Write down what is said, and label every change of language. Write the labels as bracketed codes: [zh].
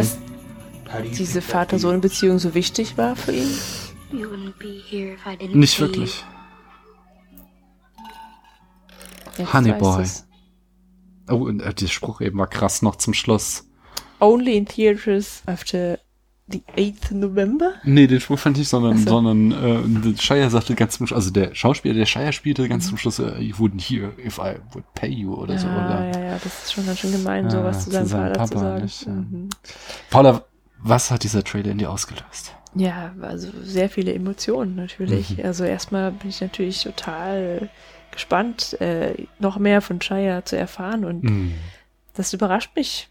[de] Wusstest du, dass diese Vater-Sohn-Beziehung so wichtig war für ihn? [en] You wouldn't be here if I didn't. [de] Nicht wirklich. [en] Honey Boy. [de] Oh, und der Spruch eben war krass noch zum Schluss. [en] Only in theaters after the 8th November? [de] Nee, den Spruch fand ich, sondern Shia sagte ganz zum Schluss, also der Schauspieler, der Shia spielte ganz zum Schluss, [en] you wouldn't hear if I would pay you [de] oder ja, so. Oder? Ja, das ist schon ganz schön gemein, sowas zu seinem Vater Papa zu sagen. Paula, was hat dieser Trailer in dir ausgelöst? Ja, also sehr viele Emotionen natürlich. Mhm. Also erstmal bin ich natürlich total gespannt, noch mehr von Shia zu erfahren und das überrascht mich.